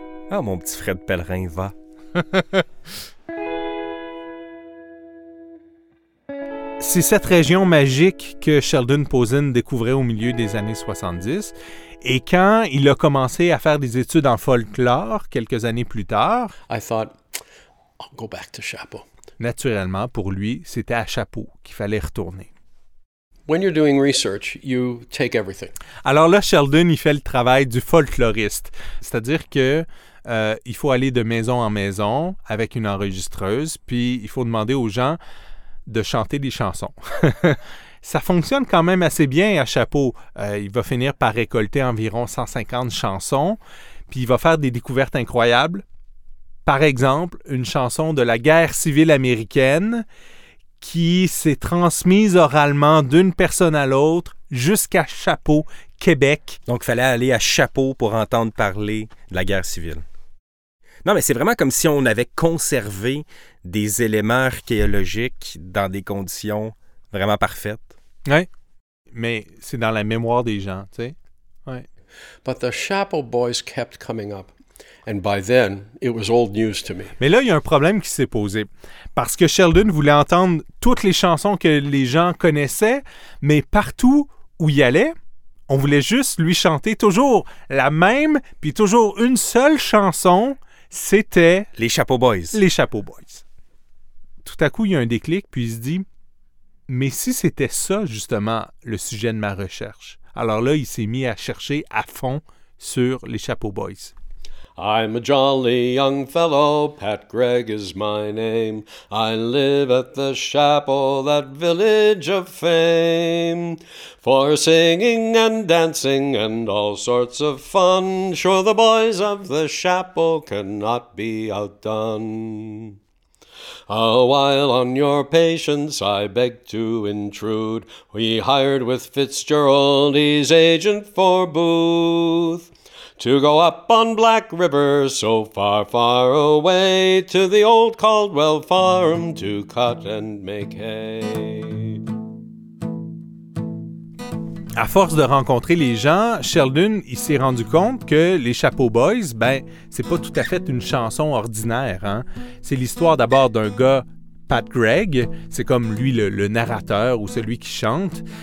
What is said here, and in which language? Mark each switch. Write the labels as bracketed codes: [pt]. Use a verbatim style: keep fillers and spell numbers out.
[fr] Ah, mon petit Fred Pellerin va. C'est cette région magique que Sheldon Posen découvrait au milieu des années soixante-dix. Et quand il a commencé à faire des études en folklore quelques années plus tard, [en] I thought, I'll go back to Chapeau. [fr] Naturellement, pour lui, c'était à Chapeau qu'il fallait retourner. [en] When you're doing research, you take everything. [fr] Alors là, Sheldon, il fait le travail du folkloriste, c'est-à-dire que euh, il faut aller de maison en maison avec une enregistreuse, puis il faut demander aux gens de chanter des chansons. Ça fonctionne quand même assez bien à Chapeau. Euh, il va finir par récolter environ cent cinquante chansons, puis il va faire des découvertes incroyables. Par exemple, une chanson de la guerre civile américaine qui s'est transmise oralement d'une personne à l'autre jusqu'à Chapeau, Québec. Donc, il fallait aller à Chapeau pour entendre parler de la guerre civile. Non, mais c'est vraiment comme si on avait conservé des éléments archéologiques dans des conditions vraiment parfaites. Oui, mais c'est dans la mémoire des gens, tu sais. Oui. [en] But the Chapeau Boys kept coming up. And by then, it was old news to me. [fr] Mais là, il y a un problème qui s'est posé. Parce que Sheldon voulait entendre toutes les chansons que les gens connaissaient, mais partout où il allait, on voulait juste lui chanter toujours la même, puis toujours une seule chanson. C'était... Les Chapeau Boys. Les Chapeau Boys. Tout à coup, il y a un déclic, puis il se dit, mais si c'était ça, justement, le sujet de ma recherche? Alors là, il s'est mis à chercher à fond sur les Chapeau Boys. [en] I'm a jolly young fellow, Pat Gregg is my name. I live at the Chapeau, that village of fame. For singing and dancing and all sorts of fun, sure the boys of the Chapeau cannot be outdone. A while on your patience I beg to intrude. We hired with Fitzgerald, he's agent for Booth. To go up on Black River, so far, far away, to the old Caldwell farm to cut and make hay. [fr] À force de rencontrer les gens, Sheldon, il s'est rendu compte que les Chapeau Boys, ben, c'est pas tout à fait une chanson ordinaire, hein. C'est l'histoire d'abord d'un gars, Pat Gregg, c'est comme lui le, le narrateur ou celui qui chante.